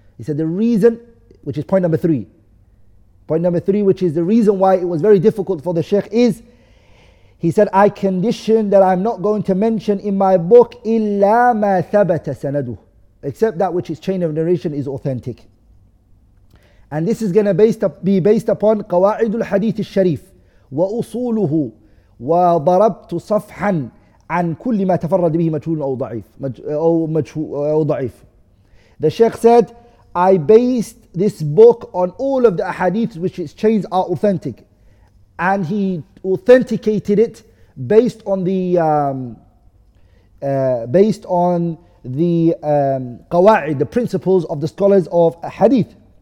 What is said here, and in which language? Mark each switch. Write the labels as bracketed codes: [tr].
[en] He said, the reason, which is point number three, which is the reason why it was very difficult for the Shaykh is, he said, I condition that I'm not going to mention in my book [ar] إِلَّا مَا ثَبَتَ سَنَدُهُ, [en] except that which is chain of narration is authentic. And this is going to be based upon [ar] قواعد الحديث الشريف وأصوله وضربت صفحا عن كل ما تفرد به مجهول أو ضعيف أو ضعيف. [en] The Shaykh said, I based this book on all of the ahadith which its chains are authentic. And he authenticated it based on the قواعد, the principles of the scholars of hadith.